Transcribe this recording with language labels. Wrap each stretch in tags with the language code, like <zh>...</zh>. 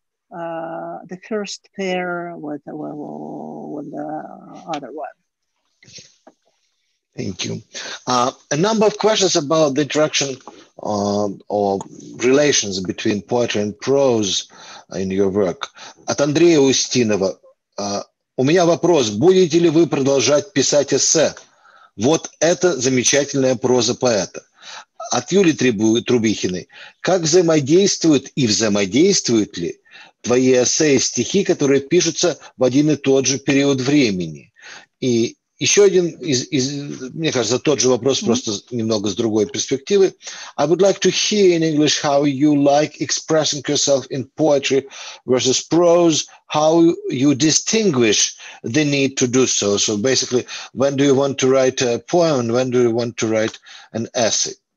<en>the first pair with the other one. Thank you. A number of questions about the interaction or relations between poetry and prose in your work.</en> <ru>От Андрея Устинова. У меня вопрос. Будете ли вы продолжать писать эссе? Вот это замечательная проза поэта. От Юли Трубихиной. Как взаимодействуют и взаимодействуют ли твои эссе и стихи, которые пишутся в один и тот же период времени? И еще один, из, мне кажется, тот же вопрос, просто немного с другой перспективы.</ru> <en>I would like to hear in English how you like expressing yourself in poetry versus prose, how you distinguish the need to do so. So basically, when do you want to write a poem and when do you want to write an essay?</en>